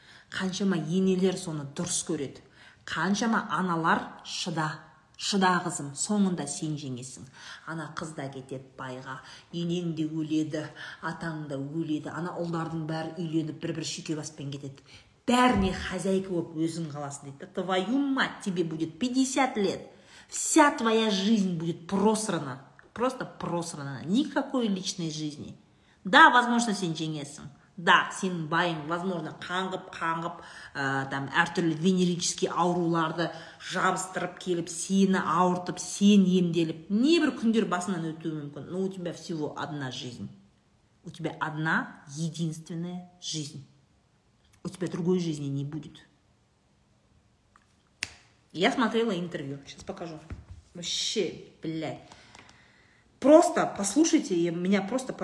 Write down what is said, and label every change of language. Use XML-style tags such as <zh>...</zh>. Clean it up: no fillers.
<kk>қаншама енелер соны дұрыс көреді қаншама аналар шыда қызым соңында сен жеңесің ана қыз да кетеді байға енең де өледі атаң да өледі ана ұлдардың бәрі үйленіп бір шүйке баспен кетеді бәріне хозяйка болып өзің қаласың дейді.</kk> <ru>Твою мать, тебе будет 50 лет. Вся твоя жизнь будет просрана. Просто просрана. Никакой личной жизни. Да, возможно,</ru> <kk>сен жеңесің. Да, сен байың, возможно, қаңғып-қаңғып, там әртүрлі венерический ауруларды жабыстырып келіп, сені ауыртып, сен емделіп, небір күндер басынан өтуі мүмкін.</kk> <ru>Но у тебя всего одна жизнь. У тебя одна единственная жизнь. У тебя другой жизни не будет. Я смотрела интервью. Сейчас покажу. Вообще, блядь. Просто послушайте, меня просто...</ru>